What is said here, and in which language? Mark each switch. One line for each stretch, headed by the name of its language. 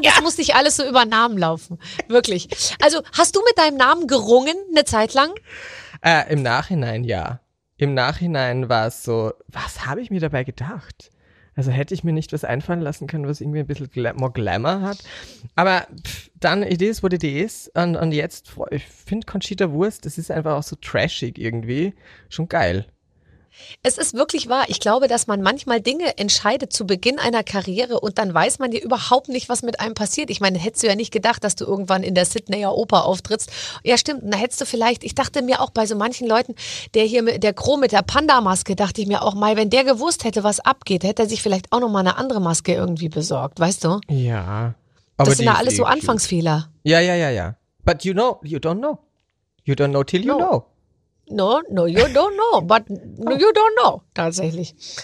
German: Das muss nicht alles so über Namen laufen. Wirklich. Also, hast du mit deinem Namen gerungen eine Zeit lang? Im Nachhinein, ja. Im Nachhinein war es so, was habe ich mir dabei gedacht? Also hätte ich mir nicht was einfallen lassen können, was irgendwie ein bisschen
English: more
German: Glamour hat.
English: Aber dann, it is what it is.
German: Und jetzt, ich finde Conchita Wurst, das ist einfach auch so trashig irgendwie. Schon geil. Es ist wirklich wahr. Ich glaube, dass man manchmal Dinge entscheidet zu Beginn einer Karriere und dann weiß man ja überhaupt nicht, was mit einem passiert. Ich meine, hättest du ja nicht gedacht, dass du irgendwann in der Sydneyer Oper auftrittst. Ja, stimmt. Da hättest du vielleicht, ich dachte mir auch bei so manchen Leuten, der Crow mit der Panda-Maske, dachte ich mir auch mal, wenn der gewusst hätte, was abgeht, hätte er sich vielleicht auch nochmal eine andere Maske irgendwie besorgt, weißt du? Ja. Aber das sind ja alles so Anfangsfehler. Ja.
English: But you know, you don't know. You don't know till you know. No, you don't know, but you don't know,
German: tatsächlich.